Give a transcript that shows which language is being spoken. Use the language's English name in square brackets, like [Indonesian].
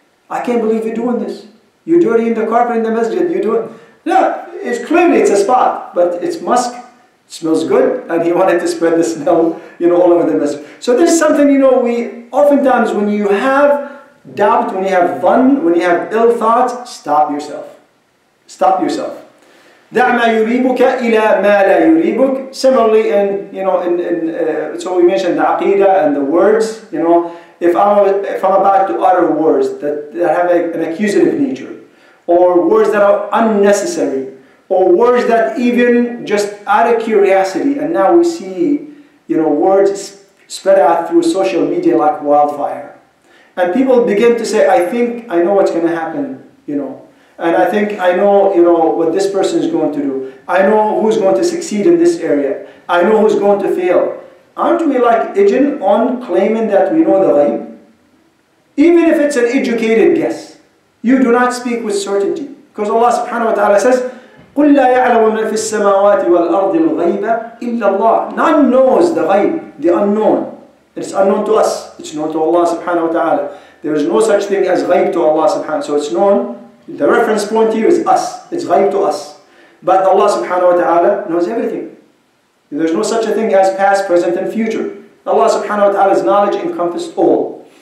[English] I can't believe you're doing this. You're dirtying the carpet in the masjid. You're doing... No, it's clearly it's a spot, but it's musk. It smells good, and he wanted to spread the smell, you know, all over the masjid. So this is something, you know, we oftentimes when you have doubt, when you have fun, when you have ill thoughts, stop yourself. Stop yourself. [Arabic] دع ما يريبك إلى ما لا يريبك. [English] Similarly, in you know, in so we mentioned the aqidah and the words. You know, if I'm about to utter words that have an accusative nature, or words that are unnecessary, or words that even just out of curiosity, and now we see, you know, words spread out through social media like wildfire, and people begin to say, I think I know what's going to happen. You know. And I think I know, you know, what this person is going to do. I know who's going to succeed in this area. I know who's going to fail. Aren't we like ijin on claiming that we know the ghaib? Even if it's an educated guess, you do not speak with certainty. Because Allah subhanahu wa ta'ala says, [Arabic] قُلْ لَا يَعْلَمُ مَنْ فِي السَّمَاوَاتِ وَالْأَرْضِ الْغَيْبَ إِلَّا اللَّهِ. [English] None knows the ghaib, the unknown. It's unknown to us. It's known to Allah subhanahu wa ta'ala. There is no such thing as ghaib to Allah subhanahu wa ta'ala. So it's known. The reference point here is us. It's ghaib to us. But Allah subhanahu wa ta'ala knows everything. There's no such a thing as past, present, and future. Allah subhanahu wa ta'ala's knowledge encompasses all.